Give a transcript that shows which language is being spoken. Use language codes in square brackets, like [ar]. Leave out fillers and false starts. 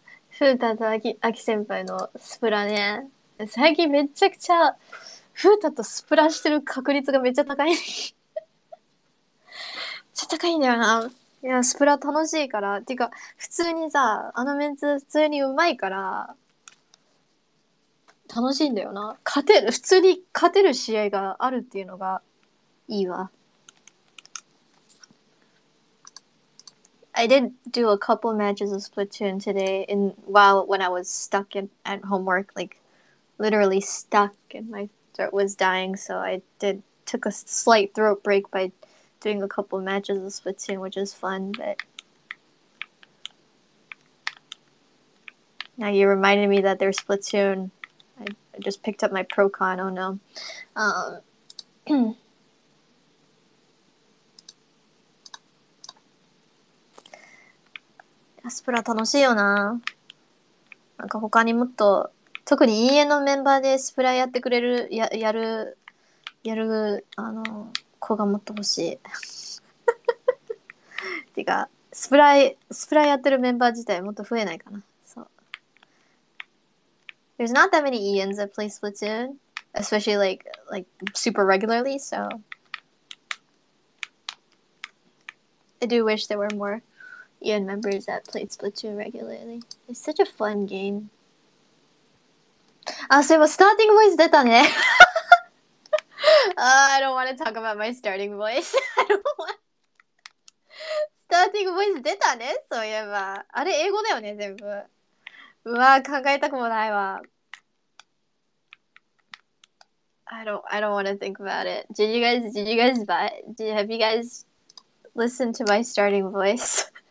[ja] フータとアキ先輩のスプラね。最近めちゃくちゃフータとスプラしてる確率がめっちゃ高い。めっちゃ高いんだよな。いや、スプラ楽しいから。てか、普通にさ、あのメンツ普通にうまいから、楽しいんだよな。勝てる、普通に勝てる試合があるっていうのがいいわ。 [en] I did do a couple matches of Splatoon today in while when I was stuck in at homework, like literally stuck and my throat was dying, so I did took a slight throat break by doing a couple matches of Splatoon, which is fun, but now you reminded me that there's Splatoon. I just picked up my Pro Con, oh no. [ja] スプラ楽しいよな。なんか他にもっと、特に EA のメンバーでスプラやってくれる、やる、あの、子がもっと欲しい。てか、スプラやってるメンバー自体もっと増えないかな。そう。 [en] There's not that many EAs that play Splatoon, especially like super regularly, so. I do wish there were more. Ian members that played Splatoon regularly. It's such a fun game. Ah, so it was starting voice [ja] 出たね。 [en] I don't want to talk about my starting voice. I don't want... [ja] Starting voice 出たね、そういえば。あれ、英語だよね、全部。うわ、考えたくもないわ。 [en] I don't want to think about it. Did you guys buy it? Have you guys listened to my starting voice?